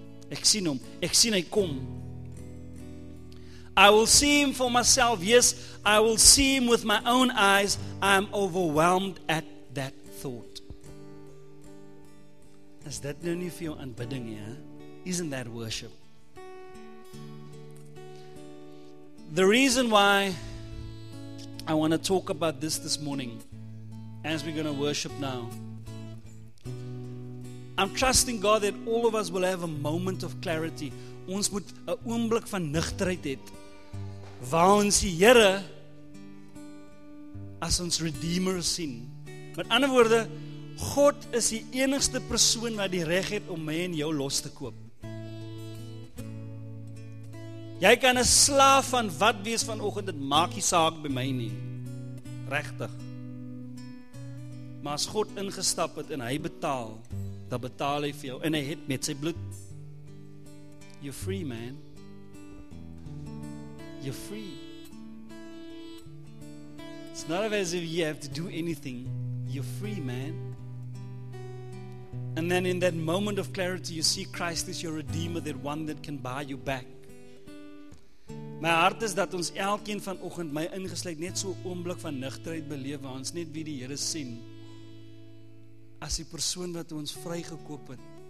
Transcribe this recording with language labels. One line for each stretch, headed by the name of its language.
Afrikaans: Ek sien hom, ek sien hy kom.
English: I will see him for myself, yes, I will see him with my own eyes. I am overwhelmed at that thought.
Afrikaans: Is dit nou nie vir jou aanbidding, ja?
English: Isn't that worship? The reason why I want to talk about this morning, as we're going to worship now, I'm trusting God that all of us will have a moment of clarity.
Afrikaans: Ons moet 'n oomblik van nugterheid hê. Waar ons die Here as ons Redeemer sien. Met ander woorde, God is die enigste persoon wat die reg het om my en jou los te koop. Jy kan 'n slaaf van wat wees vanoggend, dit maak nie saak by my nie. Regtig. Maar as God ingestap het en hy betaal, dan betaal hy vir jou en hy het met sy bloed.
English: You're free, man. You're free. It's not as if you have to do anything. You're free, man. And then in that moment of clarity, you see Christ is your Redeemer, that one that can buy you back. My heart is
Afrikaans: dat ons elkeen vanoggend, my ingesluit, net so 'n oomblik van nugterheid beleef, waar ons net wie die Here sien as die persoon wat ons vrygekoop het.